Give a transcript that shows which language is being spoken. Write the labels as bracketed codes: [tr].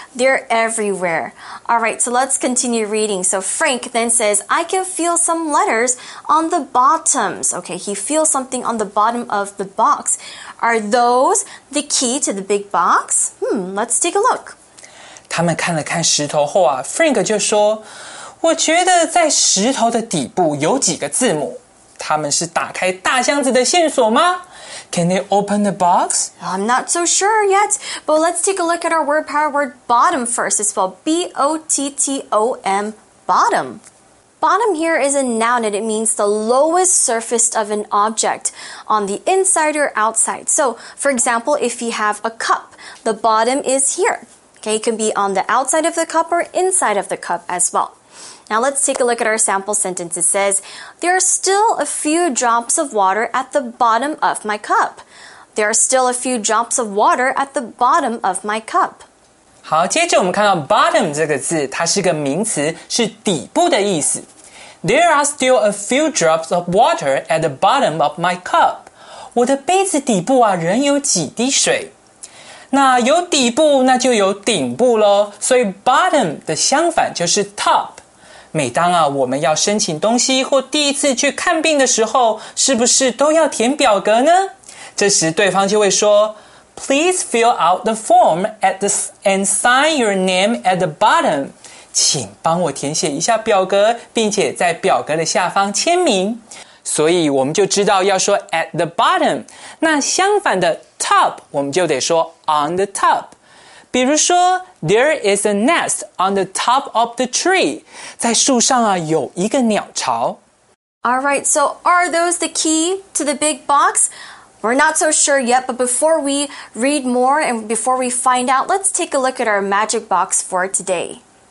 [en] They're everywhere. All right, so let's continue reading. So Frank then says, I can feel some letters on the bottoms. Okay, he feels something on the bottom of the box. Are those the key to the big box? Let's take a look. [zh] 他们看了看石头后啊 ,Frank 就说我觉得在石头的底部有几个字母，他们是打开大箱子的线索吗？ [en] Can they open the box? I'm not so sure yet, but let's take a look at our word power word bottom first. It's spelled B-O-T-T-O-M, bottom. Bottom here is a noun and it means the lowest surface of an object on the inside or outside. So, for example, if you have a cup, the bottom is here. Okay, it can be on the outside of the cup or inside of the cup as well. Now let's take a look at our sample sentence. It says, there are still a few drops of water at the bottom of my cup. There are still a few drops of water at the bottom of my cup. [zh] 好，接着我们看到 bottom 这个字，它是个名词，是底部的意思。 [en] There are still a few drops of water at the bottom of my cup. [zh] 我的杯子底部啊，仍有几滴水。那有底部，那就有顶部咯。所以 bottom 的相反就是 top. 每当啊，我们要申请东西或第一次去看病的时候，是不是都要填表格呢？这时对方就会说 ， [en] Please fill out the form and sign your name at the bottom. [zh] 请帮我填写一下表格，并且在表格的下方签名。所以我们就知道要说 [en] at the bottom. [zh] 那相反的 top， 我们就得说 [en] on the top. [zh] 比如说 , [en] there is a nest on the top of the tree. [zh] 在树上啊有一个鸟巢。 [en] Alright, so are those the key to the big box? We're not so sure yet, but before we read more and before we find out, let's take a look at our magic box for today.